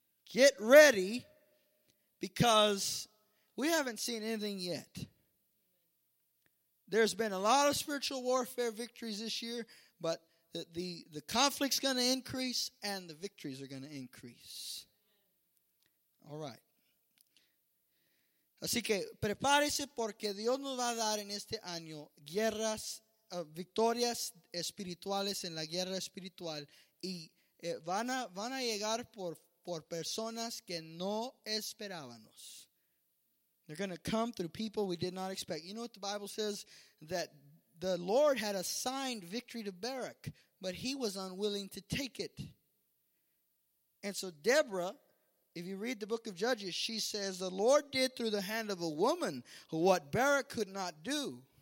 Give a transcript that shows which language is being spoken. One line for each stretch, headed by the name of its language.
English: Get ready. Because we haven't seen anything yet. There's been a lot of spiritual warfare victories this year, but the conflict's going to increase and the victories are going to increase. All right.
Spanish: Así que prepárese porque Dios nos va a dar en este año guerras, victorias espirituales en la guerra espiritual y van a llegar por personas que no esperábamos.
English: They're going to come through people we did not expect. You know what the Bible says? That the Lord had assigned victory to Barak, but he was unwilling to take it. And so Deborah, if you read the book of Judges, she says, the Lord did through the hand of a woman what Barak could not do.